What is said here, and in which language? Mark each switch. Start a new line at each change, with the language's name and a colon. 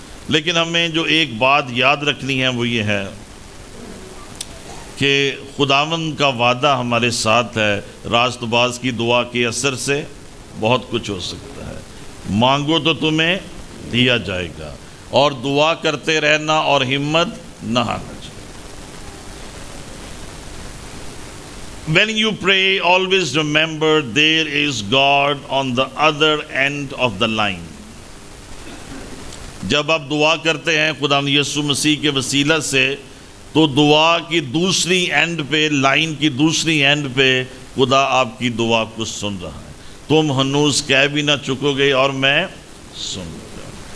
Hindi: लेकिन हमें जो एक बात याद रखनी है वो ये है कि खुदावंद का वादा हमारे साथ है. रास्तबाज की दुआ के असर से बहुत कुछ हो सकता है. मांगो तो तुम्हें दिया जाएगा, और दुआ करते रहना और हिम्मत न हारना चाहिए.
English: When you pray, always remember there is God on the other end of the line.
Hindi: जब आप दुआ करते हैं खुदावंद यीशु मसीह के वसीला से तो दुआ की दूसरी एंड पे, लाइन की दूसरी एंड पे खुदा आपकी दुआ को सुन रहा है. तुम हनूज कह भी ना चुकोगे और मैं सुन रहा हूँ.